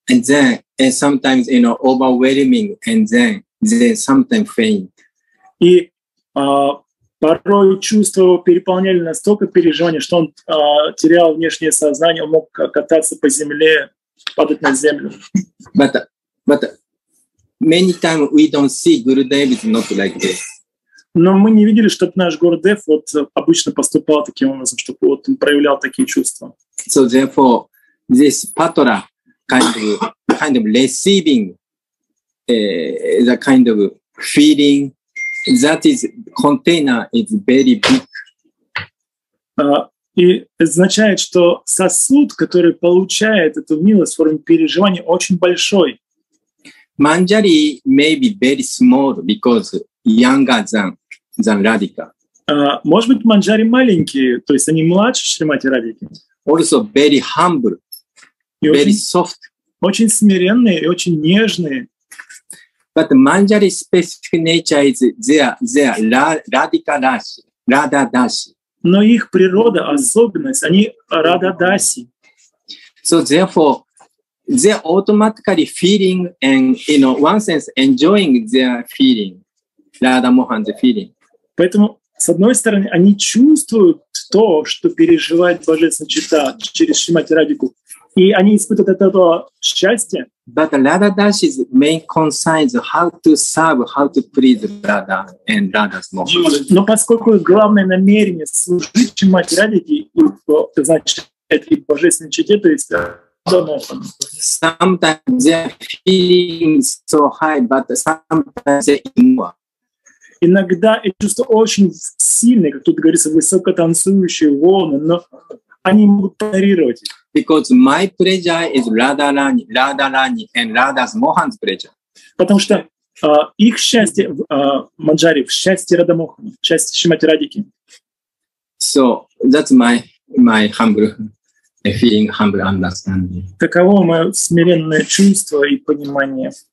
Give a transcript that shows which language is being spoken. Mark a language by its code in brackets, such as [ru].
[en] And then, and sometimes, overwhelming, and then sometimes faint. [ru] И порой чувства его переполняли настолько переживания, что он терял внешнее сознание, он мог кататься по земле, падать на землю. [en] But many times we don't see Gurudev is not like this. [ru] Но мы не видели, чтобы наш Гурудев вот обычно поступал таким образом, чтобы вот он проявлял такие чувства. [en] So therefore, this patra kind of receiving the kind of feeling that is container is very big. [ru] И означает, что сосуд, который получает эту милость в форме переживания, очень большой. [en] Manjari may be very small because younger than Radhika. [ru] Может быть, Манджари маленькие, то есть они младше Шримати Радхики. [en] Also very humble, [ru] очень, [en] very soft. [ru] Очень смиренные и очень нежные. [en] But Manjari's specific nature is their Radhika Dasi, Radha Dasi. [ru] Но их природа, особенность, они Radha Dasi. [en] So therefore, they're automatically feeling and, you know, one sense, enjoying their feeling. Radha Mohan's feeling. [ru] Поэтому, с одной стороны, они чувствуют то, что переживает Божественная Чита через Шримати Радхику, и они испытывают от этого счастье. [en] But Radha Dasi's main concern is how to serve, how to please Radha and Radha's Mohan. [ru] Но поскольку главное намерение служить Шримати Радхике, значит, и Божественной Чите, то есть Радха Мохан. [en] Sometimes their feeling is so high, but sometimes they ignore. [ru] Иногда эти чувства очень сильные, как тут говорится, высокотанцующие волны, но они могут парировать их. [en] Because my pleasure is Radharani, Radharani and Radha's Mohan's pleasure. [ru] Потому что их счастье, Манджари, в счастье Радха Мохана, в счастье Шримати Радхики. [en] So that's my humble feeling, humble understanding. [ru] Таково мое смиренное чувство и понимание.